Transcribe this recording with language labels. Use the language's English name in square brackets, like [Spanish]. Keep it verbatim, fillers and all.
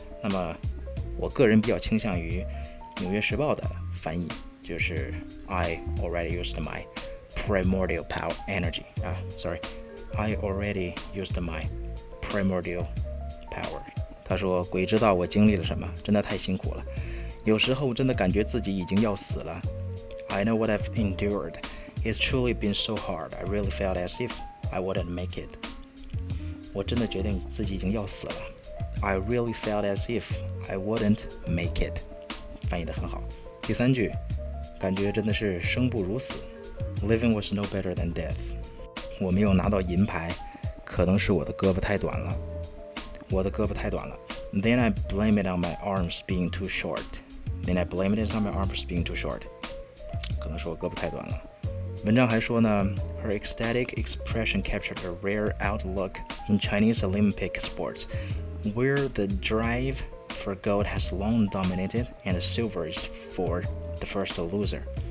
[Chinese] 那么我个人比较倾向于纽约时报的翻译，就是 [English] I already used my primordial power energy 啊 sorry I already used my primordial power。 [Chinese] 他说鬼知道我经历了什么，真的太辛苦了，有时候真的感觉自己已经要死了。 [English] I know what I've endured. It's truly been so hard. I really felt as if I wouldn't make it. [Chinese] 我真的觉得自己已经要死了。 [English] I really felt as if I wouldn't make it. [Chinese] 翻译得很好。第三句，感觉真的是生不如死。 [English] Living was no better than death. [Chinese] 我没有拿到银牌，可能是我的胳膊太短了。我的胳膊太短了。 [English] Then I blame it on my arms being too short. Then I blame it on my arms being too short. [Chinese] 可能是我胳膊太短了。文章还说呢 [English] ，her ecstatic expression captured a rare outlook in Chinese Olympic sports, where the drive for gold has long dominated and silver is for the first loser.